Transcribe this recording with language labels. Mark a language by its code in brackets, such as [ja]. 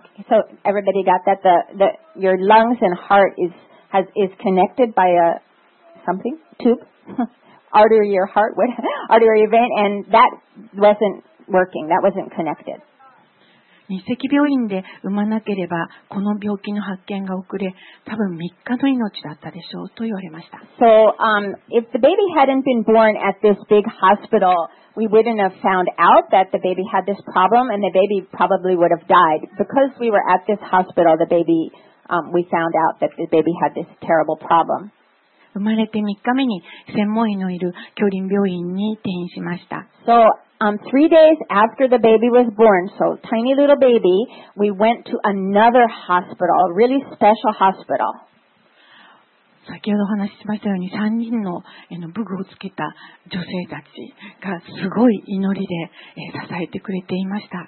[en] So everybody got that the your lungs and heart is connected by a something tube artery your heart what artery vein and that wasn't working that wasn't connected. [ja] 日赤病院で産まなければこの病気の発見が遅れ多分3日の命だったでしょうと言われました。 [en] So if the baby hadn't been born at this big hospital. We wouldn't have found out that the baby had this problem, and the baby probably would have died. Because we were at this hospital, the baby, we found out that the baby had this terrible problem. [ja] 生まれて3日目に専門医のいる杏林病院に転院しました。 [en] So, 3 days after the baby was born, so tiny little baby, we went to another hospital, a really special hospital. [ja] 先ほどお話ししましたように3人の武具をつけた女性たちがすごい祈りで支えてくれていました。